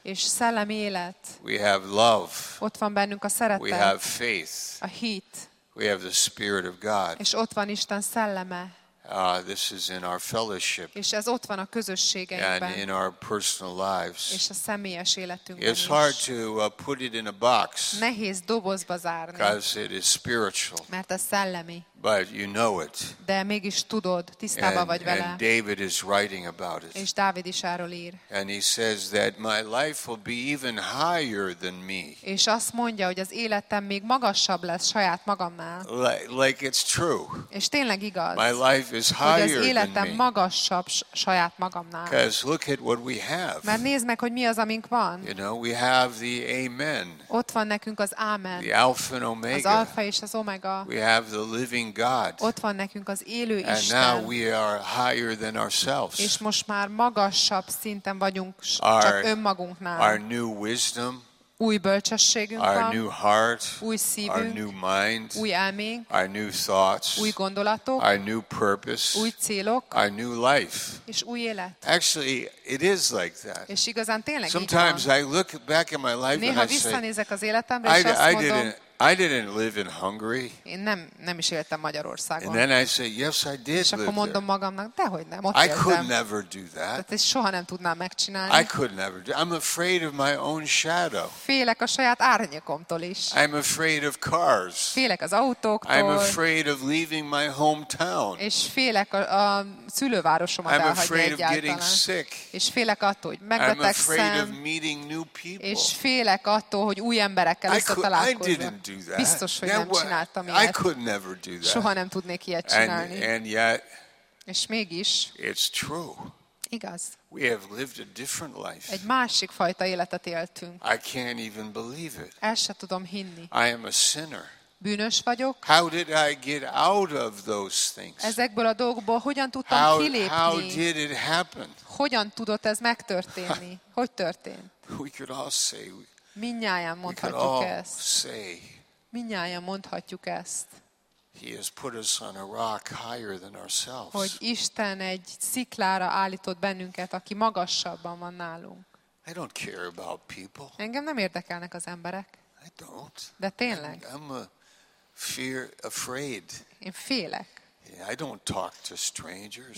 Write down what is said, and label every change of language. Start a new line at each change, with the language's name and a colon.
Hungarian: És szellemi élet.
English: We have love.
Hungarian: Ott van bennünk a szeretet.
English: We have faith.
Hungarian: A hit.
English: We have the Spirit of God.
Hungarian: És ott van Isten szelleme.
English: This is in our fellowship.
Hungarian: És ez ott van a közösségeinkben.
English: And in our personal lives.
Hungarian: És a személyes életünkben.
English: It's hard to put it in a box.
Hungarian: Nehéz dobozba zárni.
English: Because it is spiritual.
Hungarian: Mert ez szellemi.
English: But you know it.
Hungarian: De mégis tudod, tisztában vagy vele.
English: And David is writing about it.
Hungarian: És Dávid is erről ír.
English: And he says that my life will be even higher than me.
Hungarian: És azt mondja, hogy az életem még magasabb lesz saját magamnál.
English: Like it's true.
Hungarian: És tényleg igaz.
English: My life is higher than me.
Hungarian: Az életem magasabb saját magamnál.
English: Because look at what we have.
Hungarian: Mert nézd meg, hogy mi az, amink van.
English: You know, we have the Amen.
Hungarian: Ott van nekünk az Amen.
English: The Alpha and Omega.
Hungarian: Az Alpha és az Omega.
English: We have the Living God.
Hungarian: Ott van nekünk az élő Isten.
English: And now we are higher than ourselves.
Hungarian: És most már magasabb szinten vagyunk csak önmagunknál.
English: Our new wisdom.
Hungarian: Új bölcsességünk.
English: Our new heart.
Hungarian: Új szívünk.
English: Our new mind.
Hungarian: Új elménk.
English: Our new thoughts.
Hungarian: Új gondolatok.
English: Our new purpose.
Hungarian: Új célok.
English: Our new life.
Hungarian: És új élet.
English: Actually, it is like that.
Hungarian: És igazán tényleg így.
English: Sometimes I look back at my life
Hungarian: néha
English: and I say,
Hungarian: visszanézek az életemre, és azt mondom,
English: I didn't live in Hungary.
Hungarian: Én nem is éltem Magyarországon.
English: And then I say, yes, I did.
Hungarian: És akkor mondom magamnak, dehogy nem, ott éltem.
English: I could never do that.
Hungarian: Tehát ezt soha nem tudnám megcsinálni.
English: I could never do. I'm afraid of my own shadow.
Hungarian: Félek a saját árnyékomtól is.
English: I'm afraid of cars.
Hungarian: Félek az autóktól.
English: I'm afraid of leaving my hometown.
Hungarian: És félek a szülővárosomat elhagyni egyáltalán.
English: I'm afraid of getting sick.
Hungarian: És félek attól, hogy megbetegszem.
English: I'm afraid of meeting new people.
Hungarian: És félek attól, hogy új emberekkel összetalálkozzak.
English: Do that.
Hungarian: Biztos, hogy nem csináltam ilyet.
English: I could never do that.
Hungarian: Soha nem tudnék ilyet csinálni.
English: And yet,
Hungarian: és mégis,
English: it's true.
Hungarian: Igaz.
English: We have lived a different life.
Hungarian: Egy másik fajta életet éltünk.
English: I can't even believe it.
Hungarian: El se tudom hinni.
English: I am a sinner.
Hungarian: Bűnös vagyok.
English: How did I get out of those things?
Hungarian: Ezekből a dolgokból hogyan tudtam kilépni?
English: How did it happen?
Hungarian: Hogyan tudott ez megtörténni? Hogy történt?
English: We could all say.
Hungarian: Mindnyájan mondhatjuk ezt.
English: Say,
Hungarian: mindnyájan mondhatjuk ezt.
English: He has put us on a rock higher than ourselves.
Hungarian: Hogy Isten egy sziklára állított bennünket, aki magasabban van nálunk.
English: I don't care about people.
Hungarian: Engem nem érdekelnek az emberek.
English: I don't.
Hungarian: De tényleg.
English: I'm afraid.
Hungarian: Én félek.
English: Yeah, I don't talk to strangers.